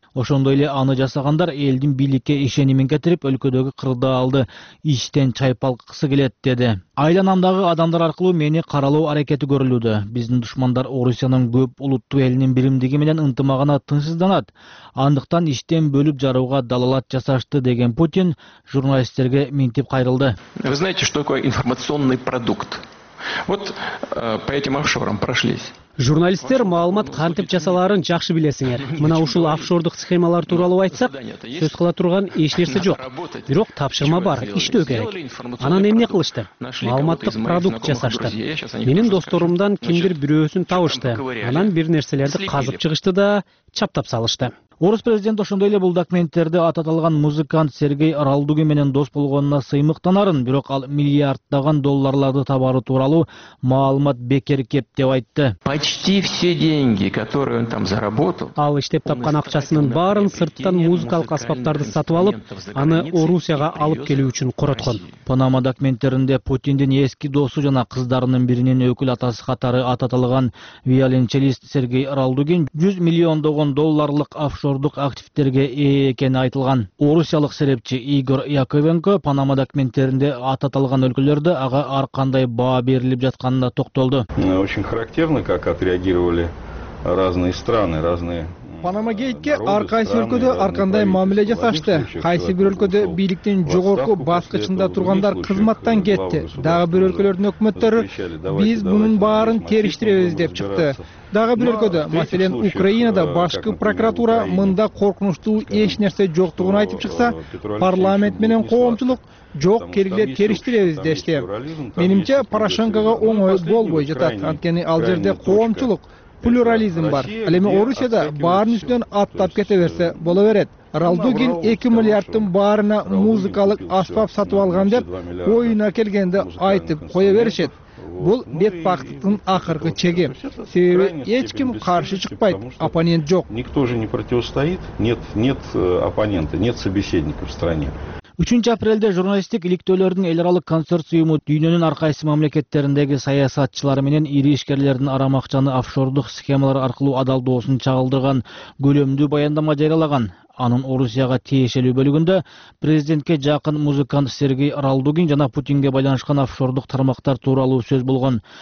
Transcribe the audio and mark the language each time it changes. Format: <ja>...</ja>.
<ky>Ошондой эле аны жасагандар элдин бийликке ишенимин кетирип, өлкөдөгү кырдаалды иштен чайпалткысы келет деди. Айланамдагы адамдар аркылуу мени каралоо аракети көрүлүүдө. Биздин душмандар Орусиянын көп улуттуу элинин биримдиги менен ынтымагына тынчсызданат. Андыктан иштен бөлүп жарууга далалат жасашты деген Путин журналисттерге минтип кайрылды.</ky> <ru>Вы знаете, что такое информационный продукт? Вот по этим офшорам прошлись.</ru> <ky>Журналисттер маалымат кантип жасаларын жакшы билесиңер. Мына ушул офшордук схемалар тууралуу айтсак, сөз кыла турган эч нерсе жок. Бирок тапшырма бар, иштөө керек. Анан эмне кылышты? Маалыматтык продукт жасашты. Менин досторумдан кимдир бирөөсүн табышты. Анан бир нерселерди казып чыгышты да чаптап салышты. Орус президент ошондой эле бул документтерди ат аталган музыкант Сергей Ралдугин менен дос болгонуна сыймыктанарын, бирок ал миллиарддаган долларларды табары тууралуу маалымат бекер кеп деп айтты.</ky> <ru>Почти все деньги, которые он там заработал.</ru> <ky>Ал иштеп тапкан акчасынын баарын сырттан музыкалык аспаптарды сатып алып, аны Орусияга алып келүү үчүн короткон. Панама документтеринде Путиндин эски досу жана кыздарынын биринин өкүл атасы катары ат аталган виолончелист Сергей Ралдугин 100 миллиондогон долларлык офшордук активдерге ээ экени айтылган. Орусиялык серепчи Игорь Яковенко Панама документтеринде аталган өлкөлөрдө ага ар кандай баа берилип жатканына токтолду.</ky> <ru>Очень характерно, как отреагировали разные страны, разные</ru> <ky>Панама гейтке ар кайсы өлкөдө ар кандай мамиле жасашты. Кайсы бир өлкөдө бийликтин жогорку баскычында тургандар кызматтан кетти. Дагы бир өлкөлөрдүн өкмөттөрү биз мунун баарын териштиребиз деп чыкты. Дагы бир өлкөдө, маселен Украинада башкы прокуратура мында коркунучтуу эч нерсе жоктугун айтып чыкса, парламент менен коомчулук жок келгиле териштиребиз дешти. Менимче Порошенкого оңой болбой жатат, анткени ал жерде коомчулук плюрализм бар. Ал эми Орусияда баарын үстүнөн аттап кете берсе боло берет. Ралдугин 2 миллиарддын баарына музыкалык аспап сатып алган деп оюна келгенде айтып кое беришет. Бул бетбактыктын акыркы чеги. Себеби эч ким каршы чыкпайт, оппонент жок.</ky> <ru>Никто же не противостоит, нет оппонента, нет собеседников в стране.</ru> <ky>3 апрелде журналисттик иликтөөлөрдүн эл аралык консорциуму дүйнөнүн ар кайсы мамлекеттериндеги саясатчылары менен ири ишкерлердин арамакчаны офшордук схемалар аркылуу адалдоосун чагылдырган көлөмдүү баяндама жарыялаган. Анын Орусияга тиешелүү бөлүгүндө президентке жакын музыкант Сергей Ралдугин жана Путинге байланышкан офшордук тармактар тууралуу сөз болгон.</ky>